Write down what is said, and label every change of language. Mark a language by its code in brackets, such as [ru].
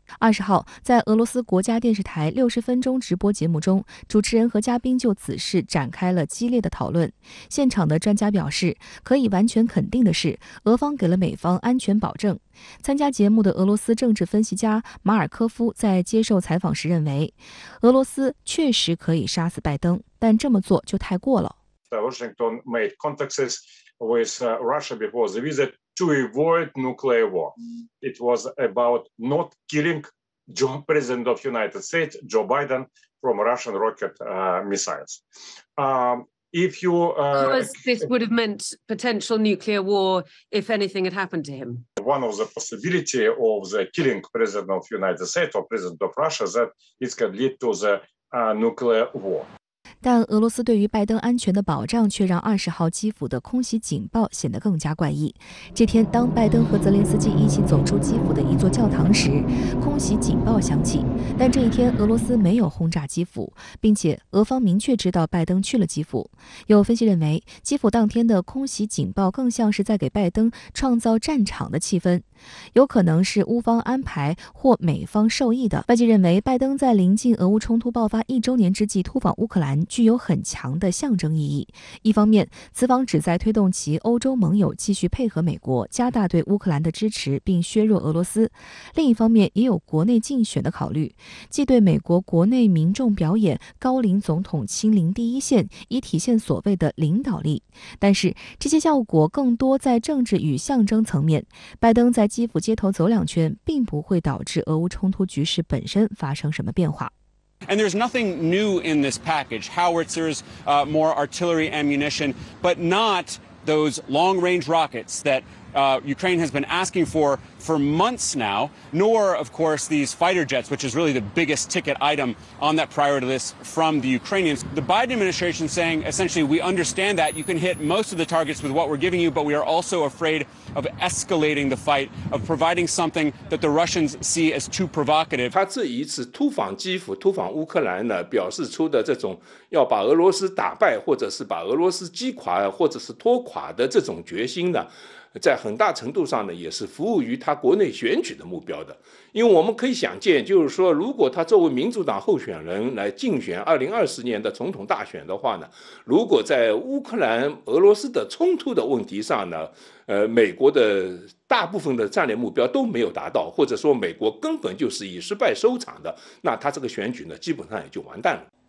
[zh] 20号，在俄罗斯国家电视台60分钟直播节目中，主持人和嘉宾就此事展开了激烈的讨论。现场的专家表示，可以完全肯定的是，俄方给了美方安全保证。参加节目的俄罗斯政治分析家马尔科夫在接受采访时认为，俄罗斯确实可以杀死拜登，但这么做就太过了。 [en] Washington made contacts with Russia before the visit. To avoid nuclear war, it was about not killing the president of the United States, Joe Biden, from Russian rocket missiles. Because this would have meant potential nuclear war if anything had happened to him. One of the possibility of the killing president of the United States or president of Russia that it could lead to the nuclear war. [zh] 但俄罗斯对于拜登安全的保障却让20号基辅的空袭警报显得更加怪异。这天，当拜登和泽连斯基一起走出基辅的一座教堂时，空袭警报响起。但这一天，俄罗斯没有轰炸基辅，并且俄方明确知道拜登去了基辅。有分析认为，基辅当天的空袭警报更像是在给拜登创造战场的气氛，有可能是乌方安排或美方授意的。外界认为，拜登在临近俄乌冲突爆发1周年之际突访乌克兰，具有很强的象征意义。一方面，此访旨在推动其欧洲盟友继续配合美国，加大对乌克兰的支持，并削弱俄罗斯；另一方面，也有国内竞选的考虑，既对美国国内民众表演高龄总统亲临第一线，以体现所谓的领导力。但是，这些效果更多在政治与象征层面。拜登在基辅街头走两圈，并不会导致俄乌冲突局势本身发生什么变化。 [en] And there's nothing new in this package. Howitzers, more artillery ammunition, but not those long-range rockets that Ukraine has been asking for months now, nor, of course, these fighter jets, which is really the biggest ticket item on that priority list from the Ukrainians. The Biden administration saying, essentially, we understand that you can hit most of the targets with what we're giving you, but we are also afraid of escalating the fight, of providing something that the Russians see as too provocative. [zh] 他这一次突访基辅、突访乌克兰呢，表示出的这种要把俄罗斯打败，或者是把俄罗斯击垮，或者是拖垮的这种决心呢，在很大程度上呢，也是服务于他国内选举的目标的。因为我们可以想见，就是说，如果他作为民主党候选人来竞选2024年的总统大选的话呢，如果在乌克兰、俄罗斯的冲突的问题上呢，美国的大部分的战略目标都没有达到，或者说美国根本就是以失败收场的，那他这个选举呢，基本上也就完蛋了。